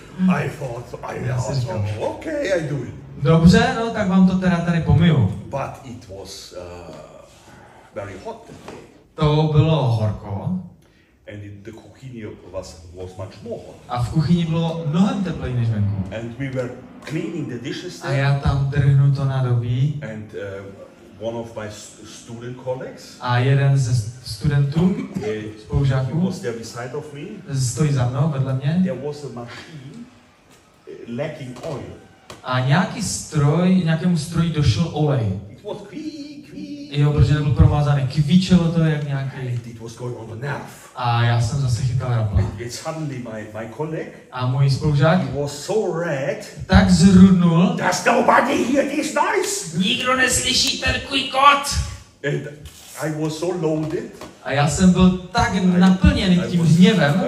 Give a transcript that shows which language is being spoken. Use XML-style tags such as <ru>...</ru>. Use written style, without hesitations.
<en>I thought I was okay, I do it.</en> <cs>Dobře, no tak vám to teda tady pomiju.</cs> <en>But it was very hot.</en> <cs>To bylo horko.</cs> <en>And in the kuchyni was much more hot.</en> <cs>A v kuchyni bylo mnohem teplejší než venku.</cs> <en>And we were cleaning the dishes.</en> <cs>A já tam drhnu to nádobí.</cs> <en>And one of my student colleagues.</en> <cs>A jeden ze studentů, spolužáků,</cs> <en>was there beside of me.</en> <cs>Stojí za mnou, vedle mě.</cs> <en>There was a machine lacking oil.</en> <cs>A nějakému stroji došel olej.</cs> <en>It was</en> <cs>Jo, protože nebyl provázaný. Kvíčelo to jak nějaký.</cs> <en>It was going on the nerve.</en> <cs>A já jsem zase chytal rapla.</cs> <en>It's suddenly my colleague.</en> <cs>A můj spolužák.</cs> <en>He was so red.</en> <cs>Tak zrudnul.</cs> <en>There's nobody here, this nice.</en> <cs>Nikdo neslyší ten kvíkot.</cs> <en>And I was so loaded.</en> <cs>A já jsem byl tak naplněný tím hněvem.</cs>